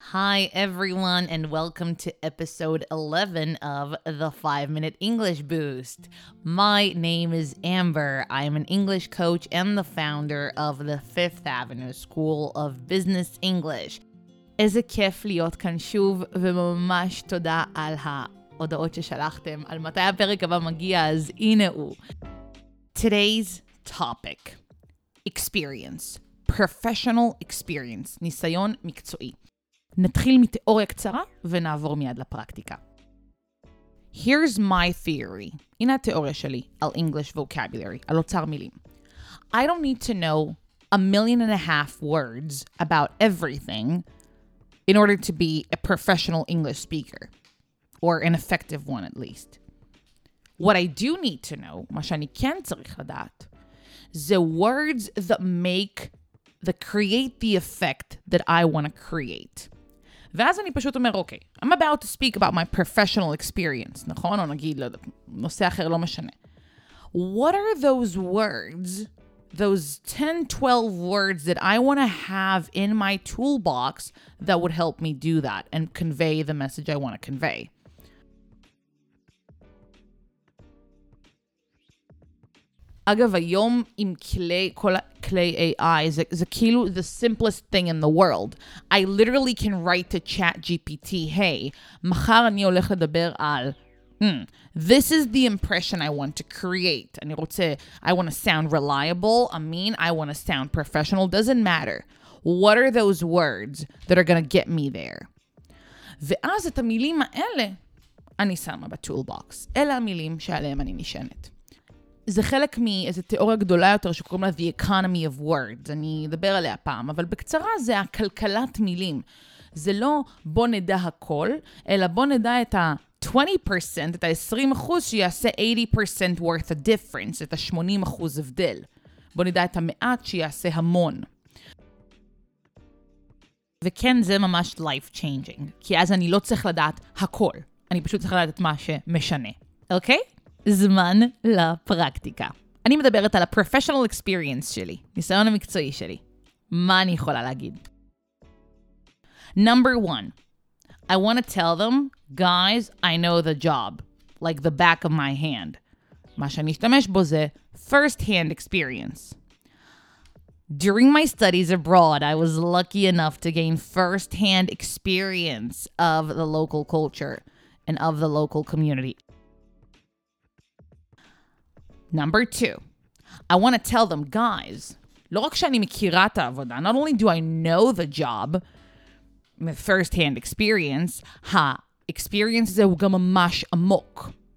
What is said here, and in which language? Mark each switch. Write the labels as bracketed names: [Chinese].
[English] Hi, everyone, and welcome to episode 11 of the 5-Minute English Boost. My name is Amber. I am an English coach and the founder of the Fifth Avenue School of Business English. [Hebrew] איזה כיף להיות כאן שוב, וממש תודה על ההודעות ששלחתם, על מתי הפרק הבא מגיע, אז הנה הוא. [English] Today's topic, experience, professional experience, [Hebrew] ניסיון מקצועי. נתחיל מתיאוריה קצרה ונעבור מיד לפרקטיקה. [English] Here's my theory. [Hebrew] הנה התיאוריה שלי על [English] English vocabulary, [Hebrew] על אוצר מילים. [English] I don't need to know a million and a half words about everything in order to be a professional English speaker, or an effective one at least. What I do need to know, [Hebrew] מה שאני כן צריך לדעת, [English] the words that make, that create the effect that I want to create. [Hebrew] ואז אני פשוט אומר, אוקיי, [English] I'm about to speak about my professional experience, [Hebrew] נכון? או נגיד, לא, נושא אחר לא משנה. [English] What are those words, those 10-12 words that I want to have in my toolbox that would help me do that and convey the message I want to convey? [Hebrew] אגב, היום עם כלי AI, זה כאילו [English] the simplest thing in the world. I literally can write to ChatGPT, hey, [Hebrew] מחר אני הולך לדבר על, [English] this is the impression I want to create. [Hebrew] אני רוצה, [English] I want to sound reliable, I mean, I want to sound professional, doesn't matter. What are those words that are going to get me there? [Hebrew] ואז את המילים האלה, אני שמה בטולבוקס. אלה המילים שעליהם אני נשענת. זה חלק מאיזו תיאוריה גדולה יותר שקוראים לה [English] The Economy of Words. [Hebrew] אני אדבר עליה פעם, אבל בקצרה זה הכלכלת מילים. זה לא בוא נדע הכל, אלא בוא נדע את ה-20%, את ה-20% שיעשה 80% [English] worth a difference, [Hebrew] את ה-80% הבדל. בוא נדע את המעט שיעשה המון. וכן, זה ממש life-changing, כי אז אני לא צריך לדעת הכל. אני פשוט צריך לדעת את מה שמשנה. אוקיי? זמן לפרקטיקה. אני מדברת על ה-professional experience שלי, ניסיון המקצועי שלי. מה אני יכולה להגיד? [English] Number one, I want to tell them, guys, I know the job, like the back of my hand. [Hebrew] מה שאני אשתמש בו זה [English] first-hand experience. During my studies abroad, I was lucky enough to gain first-hand experience of the local culture and of the local community. Number two, I want to tell them, guys, [Hebrew] לא רק שאני מכירה את העבודה, [English] not only do I know the job, with first-hand experience, experience [Hebrew] זה הוא גם ממש עמוק.